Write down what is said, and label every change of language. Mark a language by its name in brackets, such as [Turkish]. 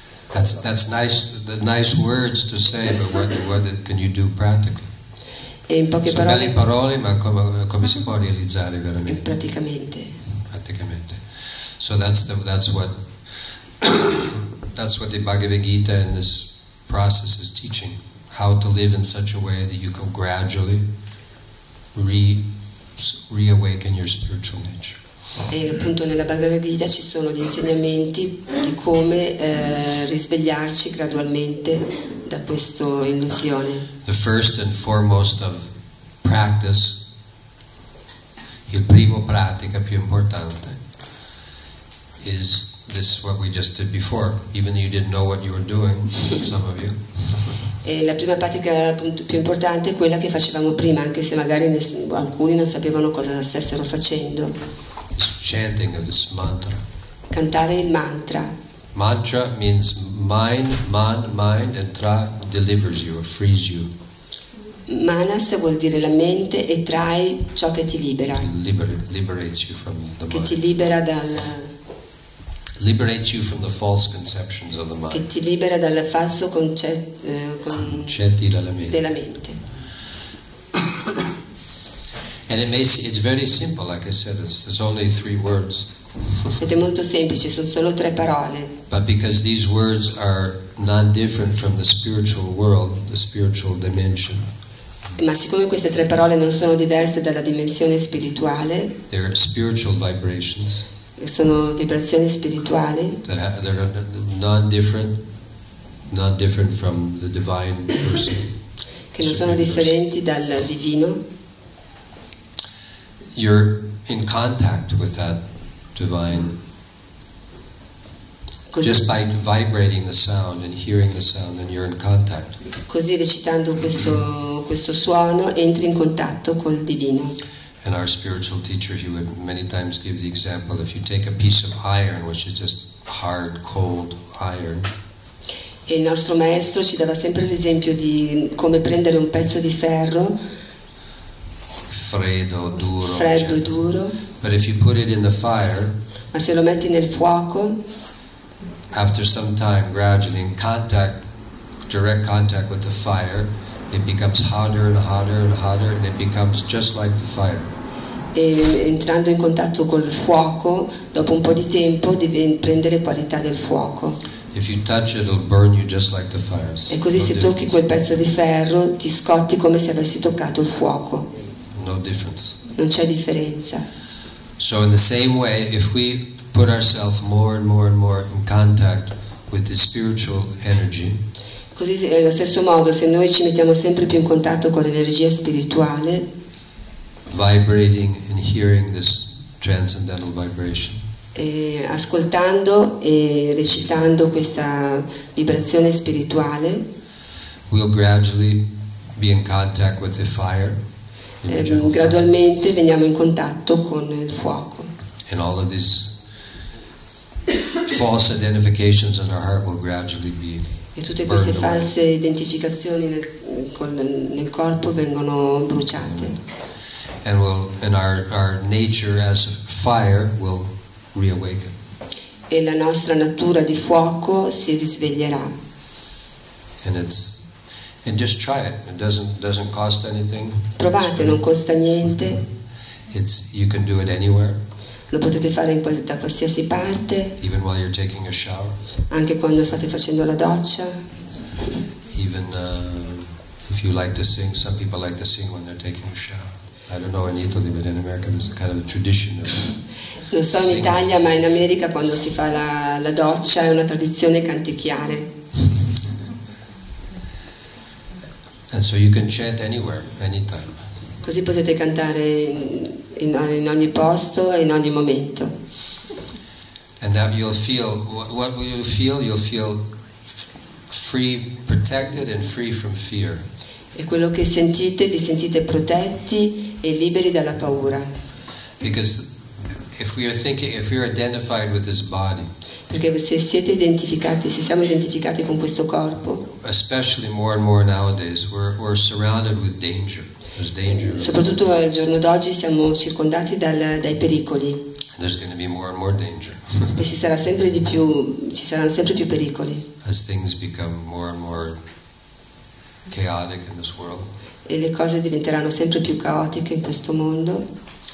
[English] That's nice, the nice words to say, but what can you do practically? [Italian] E in poche parole, belle parole, ma come si può realizzare veramente? Praticamente. [English] So that's what the Bhagavad Gita in this process is teaching, how to live in such a way that you can gradually reawaken your spiritual nature. [Italian] E appunto nella Bhagavad Gita ci sono gli insegnamenti di come risvegliarci gradualmente da questa illusione. [English] The first and foremost of practice, [Italian] il primo pratica più importante, [English] is this what we just did before, even though you didn't know what you were doing, some of you. [Italian] E la prima pratica più importante è quella che facevamo prima, anche se magari alcuni non sapevano cosa stessero facendo. [English] This chanting of this mantra. [Italian] Cantare il mantra. [English] Mantra means mind, man, mind, and tra delivers you or frees you. [Italian] Manas vuol dire la mente e trae ciò che ti libera. [English] Liberates you from the mind. [Italian] Che ti libera dal. [English] Liberates you from the false conceptions of the mind. [Italian] Che ti libera dal falso concetti della mente. [English] And it's very simple, like I said, it's only three words. [Italian] Ed è molto semplice, sono solo tre parole. [English] But because these words are non-different from the spiritual world, the spiritual dimension. [Italian] Ma siccome queste tre parole non sono diverse dalla dimensione spirituale. [English] They're spiritual vibrations. [Italian] Sono vibrazioni spirituali. [English] They're non-different from the divine person. [Italian] Che non sono differenti dal divino. [English] You're in contact with that divine. Così, just by vibrating the sound and hearing the sound, then you're in contact. [Italian] Così recitando questo suono entri in contatto col divino. [English] And our spiritual teacher, he would many times give the example: if you take a piece of iron, which is just hard, cold iron. [Italian] E il nostro maestro ci dava sempre l'esempio di come prendere un pezzo di ferro. Freddo, duro. [English] But if you put it in the fire, [Italian] ma se lo metti nel fuoco, [English] after some time, gradually in contact, direct contact with the fire, it becomes hotter and hotter and hotter, and it becomes just like the fire. [Italian] E entrando in contatto col fuoco, dopo un po' di tempo, deve prendere qualità del fuoco. [English] If you touch it, it'll burn you just like the fire. [Italian] E così se tocchi quel pezzo di ferro, ti scotti come se avessi toccato il fuoco. [English] No difference. [Italian] Non c'è differenza. [English] So in the same way, if we put ourselves more and more and more in contact with the spiritual energy. [Italian] Così allo stesso modo, se noi ci mettiamo sempre più in contatto con l'energia spirituale. [English] Vibrating and hearing this transcendental vibration. [Italian] E ascoltando e recitando questa vibrazione spirituale. [English] We'll gradually be in contact with the fire. [Italian] Gradualmente veniamo in contatto con il fuoco. [English] And all of these false identifications in our heart will gradually be [Italian] e tutte queste false identificazioni nel corpo vengono bruciate. [English] And we'll, and our nature as fire will reawaken. [Italian] E la nostra natura di fuoco si risveglierà. [English] And just try it. It doesn't cost anything. [Italian] Provate, non costa niente. [English] It's you can do it anywhere. [Italian] Lo potete fare da qualsiasi parte. [English] Even while you're taking a shower. [Italian] Anche quando state facendo la doccia. [English] Even if you like to sing, some people like to sing when they're taking a shower. I don't know in Italy, but in America it's a kind of a tradition. [Italian] Non so in Italia, ma in America quando si fa la doccia è una tradizione canticchiare. [English] And so you can chant anywhere, anytime. [Italian] Così potete cantare in ogni posto e in ogni momento. [English] And that you'll feel, what will you feel? You'll feel free, protected and free from fear. [Italian] E quello che sentite, vi sentite protetti e liberi dalla paura. [English] Because If we are thinking, if we are identified with this body, [Italian] perché se siete identificati, se siamo identificati con questo corpo, [English] especially more and more nowadays, we're surrounded with danger. There's danger. [Italian] Soprattutto al giorno d'oggi siamo circondati dai pericoli. [English] There's going to be more and more danger. [Italian] E ci sarà sempre di più, ci saranno sempre più pericoli. [English] As things become more and more chaotic in this world. [Italian] E le cose diventeranno sempre più caotiche in questo mondo.